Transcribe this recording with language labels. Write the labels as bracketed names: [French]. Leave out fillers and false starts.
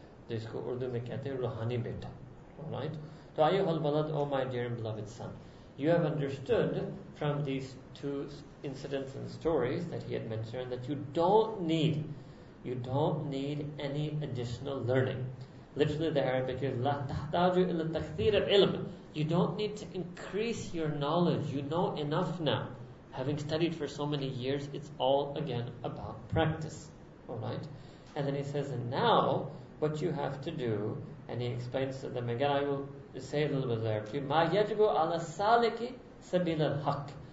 [Urdu] Jisko Urdu mein kehte hain ruhani beta. [English] Alright? So, ayyuhal walad, O my dear and beloved son, you have understood from these two incidents and stories that he had mentioned that you don't need any additional learning. Literally, the Arabic is [Arabic] لا تحتاج إلى تكثير العلم. [English] You don't need to increase your knowledge. You know enough now. Having studied for so many years, it's all again about practice. Alright? And then he says, and now what you have to do, and he explains to them again, I will say a little bit there. [Arabic] مَا يَجْبُ عَلَى السَّالِكِ سَبِيلَ الْحَقِّ.